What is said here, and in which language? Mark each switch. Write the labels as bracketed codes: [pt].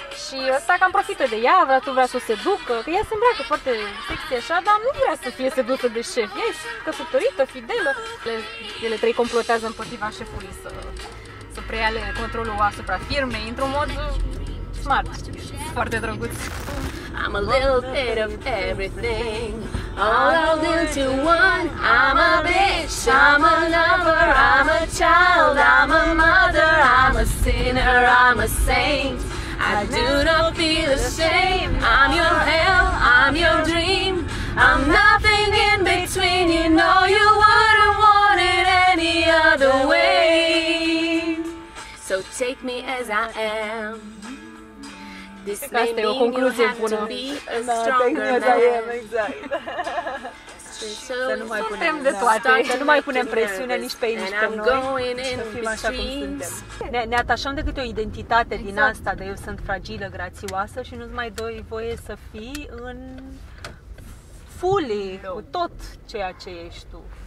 [ro] Și ăsta cam profită de ea, vrea să o seducă, că ea se îmbracă foarte sexy așa, dar nu vrea să fie sedusă de șef. Ea e căsătorită, fidelă. Ele trei complotează împotriva șefului să preia controlul asupra firmei într-un mod smart. Foarte drăguț. [en] I'm a little bit of everything. All into one. I'm a bitch, I'm a lover, I'm a child, I'm a mother, I'm a sinner, I'm a saint. I do not feel ashamed. I'm your hell, I'm your dream. I'm nothing in between. You know you wouldn't want it any other way. So take me as I am. This may mean you have to be a stronger man. Exact. [ro] suntem de toate. Să nu mai punem presiune nici pe ei, nici pe noi. Să fim așa cum suntem. Ne atașăm de câte o identitate din asta, de eu sunt fragilă, grațioasă și nu-ți mai dai voie să fii în fully, cu tot ceea ce ești tu.